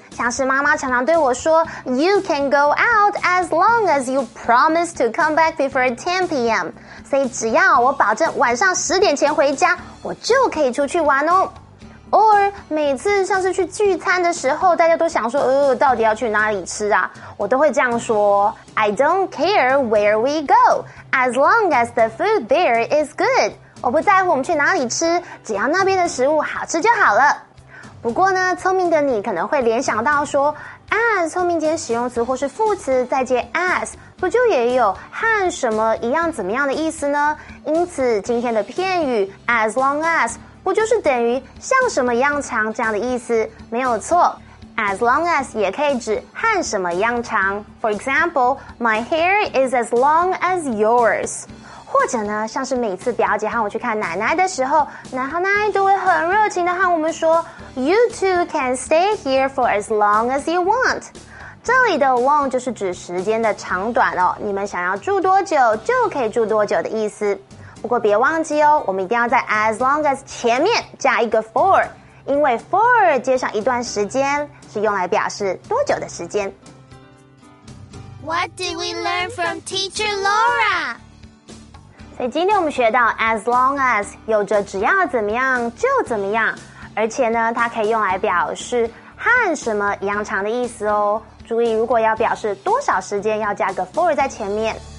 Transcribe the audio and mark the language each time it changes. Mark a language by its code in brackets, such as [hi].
[zh] 像是妈妈常常对我说 [en] You can go out as long as you promise to come back before 10 p.m. [zh] 所以只要我保证晚上十点前回家，我就可以出去玩哦。 Or 每次像是去聚餐的时候，大家都想说到底要去哪里吃啊，我都会这样说 [en] I don't care where we go as long as the food there is good. [zh] 我不在乎我们去哪里吃，只要那边的食物好吃就好了。不过呢，聪明的你可能会联想到说 as 后面接使用词或是副词，再接 as 不就也有和什么一样怎么样的意思呢？因此今天的片语 as long as 不就是等于像什么一样长这样的意思？没有错， as long as 也可以指和什么一样长。 [en] For example, my hair is as long as yours. [zh] 或者呢，像是每次表姐和我去看奶奶的时候，奶奶都会很热情地和我们说 [en] You two can stay here for as long as you want. [zh] 这里的 long 就是指时间的长短哦，你们想要住多久就可以住多久的意思。不过别忘记哦，我们一定要在 as long as 前面加一个 for， 因为 for 接上一段时间是用来表示多久的时间。 [en] What did we learn from Teacher Laura? [zh] 所以今天我们学到 as long as 有着只要怎么样就怎么样，而且呢它可以用来表示和什么一样长的意思哦。注意如果要表示多少时间要加个 for 在前面。